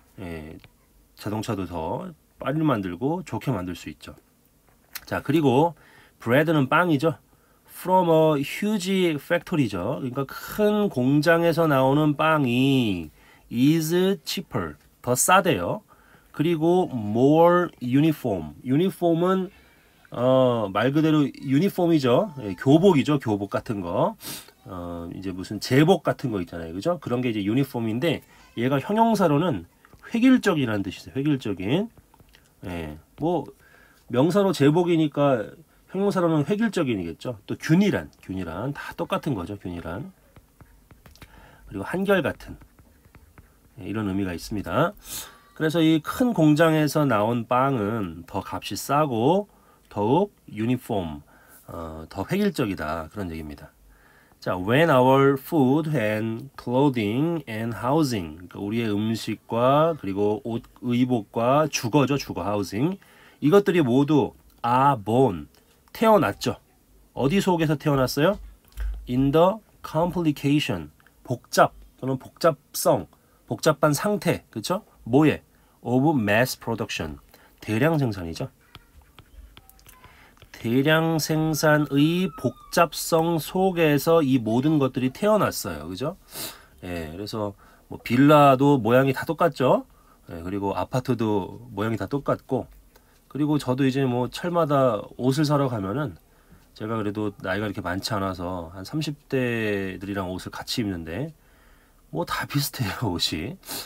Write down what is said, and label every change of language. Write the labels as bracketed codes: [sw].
[ko] 예, 자동차도 더 빨리 만들고 좋게 만들 수 있죠. 자, 그리고 bread는 빵이죠? [en] From a huge factory죠. [ko] 그러니까 큰 공장에서 나오는 빵이 [en] is cheaper, [ko] 더 싸대요. [en] 그리고 more uniform. [ko] Uniform은 말 그대로 유니폼이죠. 예, 교복이죠. 교복 같은 거. 이제 무슨 제복 같은 거 있잖아요. 그죠? 그런 게 이제 유니폼인데 얘가 형용사로는 획일적이라는 뜻이 있어요. 획일적인. 예. 뭐 명사로 제복이니까 형용사로는 획일적인이겠죠. 또 균일한, 균일한 다 똑같은 거죠. 균일한 그리고 한결같은 이런 의미가 있습니다. 그래서 이 큰 공장에서 나온 빵은 더 값이 싸고 더욱 유니폼, 더 획일적이다 그런 얘기입니다. 자, [en] when our food and clothing and housing, [ko] 그러니까 우리의 음식과 그리고 옷, 의복과 주거죠, 주거 housing 이것들이 모두 [en] are born, [ko] 태어났죠. 어디 속에서 태어났어요? [en] In the complication, [ko] 복잡 또는 복잡성, 복잡한 상태, 그렇죠? 뭐에? [en] Of mass production, [ko] 대량 생산이죠. 대량 생산의 복잡성 속에서 이 모든 것들이 태어났어요, 그죠? 예, 그래서 뭐 빌라도 모양이 다 똑같죠. 예, 그리고 아파트도 모양이 다 똑같고, 그리고 저도 이제 뭐 철마다 옷을 사러 가면은 제가 그래도 나이가 이렇게 많지 않아서 한 30대들이랑 옷을 같이 입는데 뭐 다 비슷해요 옷이.